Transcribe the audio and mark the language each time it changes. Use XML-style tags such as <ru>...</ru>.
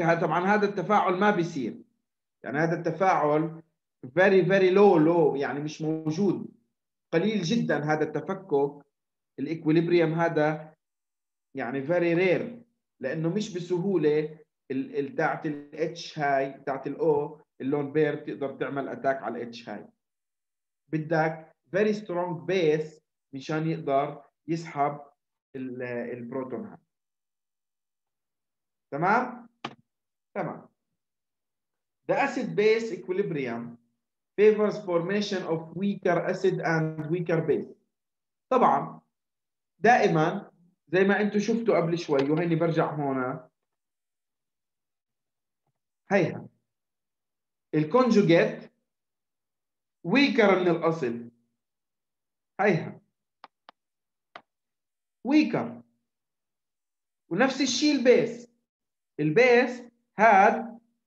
<ar>هذا طبعا هذا التفاعل ما بيصير، يعني هذا التفاعل</ar> <en>very very low low،</en> <ar>يعني مش موجود، قليل جدا هذا التفكك الإكوليبريم، هذا يعني</ar> <en>very rare</en> <ar>لأنه مش بسهولة بتاعت الاتش هاي بتاعت الاو اللون بير تقدر تعمل اتاك على الاتش هاي. بدك</ar> <en>very strong base</en> <ar>مشان يقدر يسحب البروتون هاي. تمام؟ تمام.</ar> <en>The acid base equilibrium favors formation of weaker acid and weaker base.</en> <ar>طبعا دائما زي ما انتم شفتوا قبل شوي، وهيني برجع هون هيها الكونجوجيت ويكر من الاصل، هيها ويكر، ونفس الشيء البيس، البيس هاد</ar>